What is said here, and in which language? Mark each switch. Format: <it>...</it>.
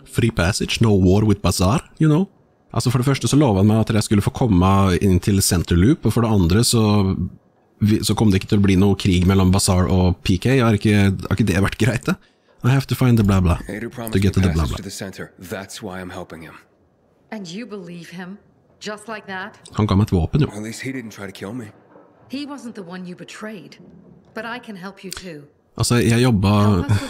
<en>Free passage, no war with Bazaar, you know?</en> <no>Altså, for det første så lovet han meg at jeg skulle få komme inn til Centerloop, og for det andre så kom det ikke til å bli noe krig mellom Bazaar og PK. Har ikke det vært greit, det?</no> <en>I have to find the blah-blah, to get to the blah-blah. That's why I'm helping him. And you believe him? Just like that?</en> <no>Han ga meg et våpen, jo.</no> <en>At least he didn't try to kill me. He wasn't the one you betrayed. But I can help you too.</en> <no>Altså, jeg jobba...</no>